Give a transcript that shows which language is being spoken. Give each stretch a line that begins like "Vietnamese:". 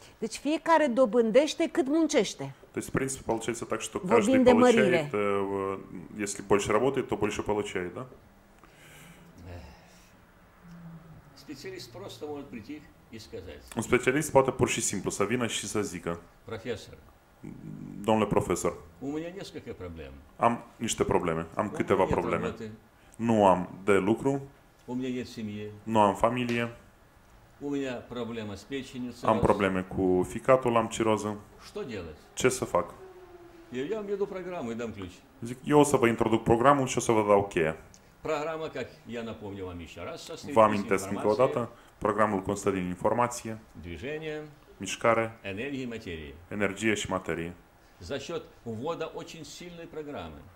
Romanian: Deci fiecare dobândește cât muncește. Deci principal ce este
Russian: так, что каждый получает, если больше работает, то больше получает, да? Специалист просто может прийти и сказать.
Romanian: Un specialist poate pur și simplu să vină și să zică. Profesor. Domnule profesor.
Russian: У меня несколько проблем.
Romanian: Am niște probleme. Am câteva probleme. Nu am de lucru.
Russian: У меня нет семьи.
Romanian: Nu am familie.
Russian: У меня проблема с печенью.
Romanian: Am probleme cu ficatul, am ciroză.
Russian: Что делать?
Romanian: Ce să fac? Eu am
Russian: веду программу и дам ключ.
Romanian: Zic, eu o să vă introduc programul și o să vă dau cheia.
Russian: Programa, как я напомню вам еще раз,
Romanian: vă amintesc încă o dată, programul constă din informație,
Russian: движение,
Romanian: mișcare, energie, materie. Energie și materie.
Russian: За счет ввода очень сильной программы.